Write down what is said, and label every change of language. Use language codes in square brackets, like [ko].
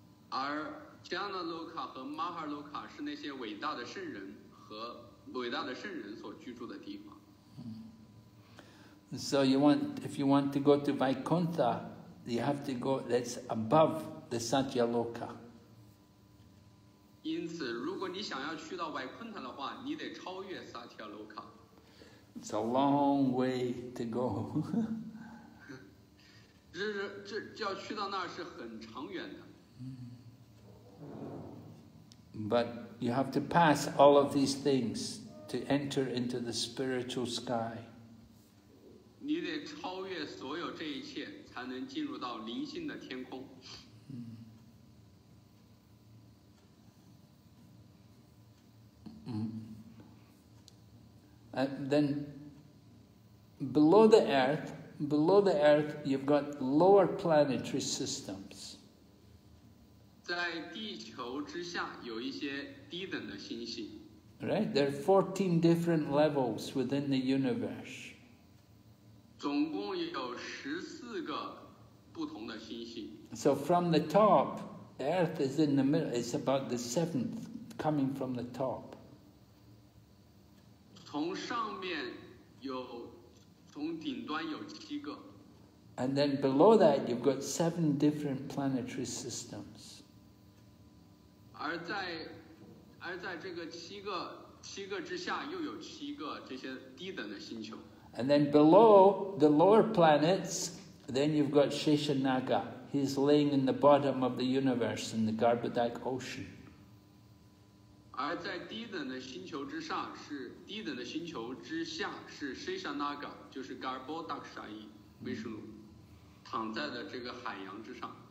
[zh] 而 Janaloka 和 Mahaloka 是那些伟大的圣人和伟大的圣人所居住的地方。 [en] So you want, if you want to go to Vaikuntha, you have to go, that's above the Satyaloka. [zh] 因此如果你想要去到外昆塔的话你得超越萨提亚罗卡。 [en] It's a long way to go. [zh] 这要去到那是很长远的。 [en] But you have to pass all of these things to enter into the spiritual sky. [zh] 你得超越所有这一切才能进入到灵性的天空。 [en] Then below the earth, you've got lower planetary systems. [zh] 在地球之下有一些低等的星星。 [en] Right, there are 14 different levels within the universe. [zh] 总共有十四个不同的星星。 [en] So from the top, Earth is in the middle. It's about the seventh coming from the top. [zh] 从上面有，从顶端有七个。 [en] And then below that, you've got seven different planetary systems. [zh] 而在这个七个之下又有七个这些低等的星球。 [en] And then below the lower planets, then you've got Sheshanaga. He's laying in the bottom of the universe in the Garbhodak Ocean. [zh] 而在低等的星球之上是低等的星球之下是 Sheshanaga 就是 Garbhodakshayi Vishnu 躺在了这个海洋之上。